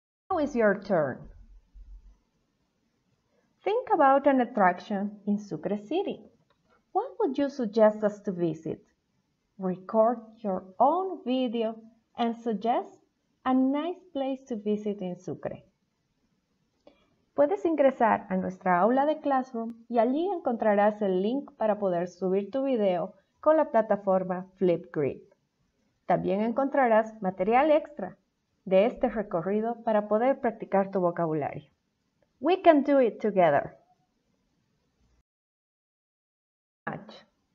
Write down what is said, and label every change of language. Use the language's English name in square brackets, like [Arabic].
[English] Now is your turn. Think about an attraction in Sucre City. What would you suggest us to visit? Record your own video and suggest a nice place to visit in Sucre. [Spanish] Puedes ingresar a nuestra aula de Classroom y allí encontrarás el link para poder subir tu video con la plataforma Flipgrid. También encontrarás material extra de este recorrido para poder practicar tu vocabulario. [English] We can do it together. Thank you very much.